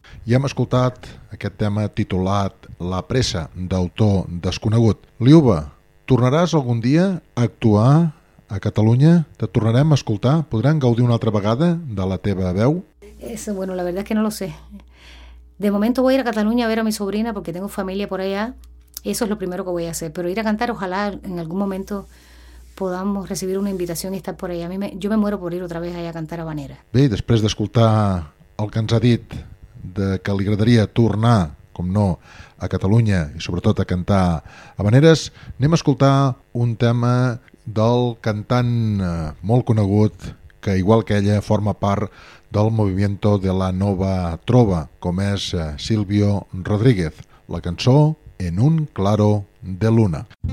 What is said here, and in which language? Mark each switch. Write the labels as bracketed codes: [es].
[ca] i hem escoltat aquest tema titulat La pressa, d'autor desconegut. Liuba, tornaràs algun dia a actuar a Catalunya? Te tornarem a escoltar? Podran gaudir una altra vegada de la teva veu? [es] Eso, bueno, la verdad es que no lo sé. De momento voy a ir a Cataluña a ver a mi sobrina porque tengo familia por allá. Eso es lo primero que voy a hacer. Pero ir a cantar, ojalá en algún momento podamos recibir una invitación y estar por allá. Yo me muero por ir otra vez allá a cantar a Habanera. [ca] Bé, després d'escoltar el que ens ha dit, de que li agradaria tornar, com no, a Catalunya i sobretot a cantar habaneres, anem a escoltar un tema del cantant molt conegut que, igual que ella, forma part del Movimiento de la Nova Trova, com és Silvio Rodríguez, la cançó En un claro de luna.